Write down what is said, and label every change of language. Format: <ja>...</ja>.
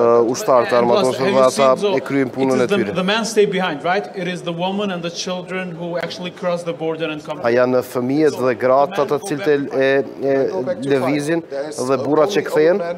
<sq>ushtarë të armatoshme dhe ata e kryen punën e tyre.</sq> <en>The men stay behind, right? It is the woman and the children who actually cross the border and come.</en> <sq>A janë fëmijët dhe gratë ata cilët e lëvizin dhe burrat që kthehen?</sq>